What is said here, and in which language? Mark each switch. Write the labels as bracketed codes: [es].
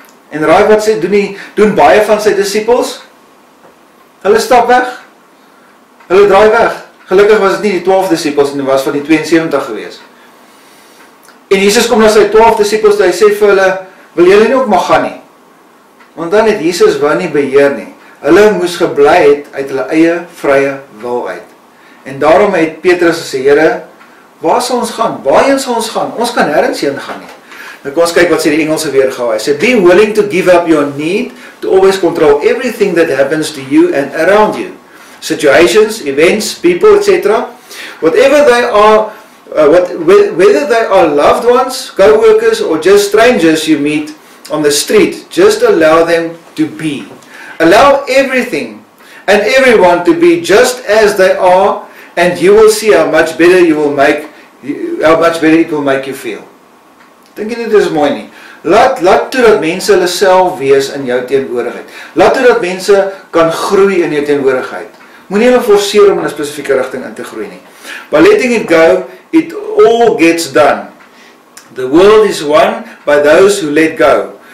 [af] En raai wat sê, doen baie van sy disciples? Hulle stap weg. Hulle draai weg. Gelukkig was het nie die 12 disciples en was van die 72 gewees. En Jesus kom na sy 12 disciples en hy sê vir hulle, wil julle nie ook maar gaan nie? Want dan het Jesus wel nie beheer nie. Hulle moes geblei het uit hulle eie vrye wil uit. En daarom het Petrus gesê, Here, waar sal ons gaan? Waarheen sal ons gaan? Ons kan nêrens heen gaan nie. Nou kom ons kyk wat sê die Engelse weergawe. Hy sê, [en] be willing to give up your need to always control everything that happens to you and around you. Situations, events, people, etc. Whatever they are, whether they are loved ones, co-workers, or just strangers you meet on the street, just allow them to be. Allow everything and everyone to be just as they are, and you will see how much better it will make you feel. [af] Dink jy nie, dit is mooi nie. Laat toe dat mense hulle self wees in jou teenwoordigheid. Laat toe dat mense kan groei in jou teenwoordigheid. Moet nie hulle forceer om in een specifieke richting in te groei nie. [en] By letting it go, it all gets done. The world is won by those who let go.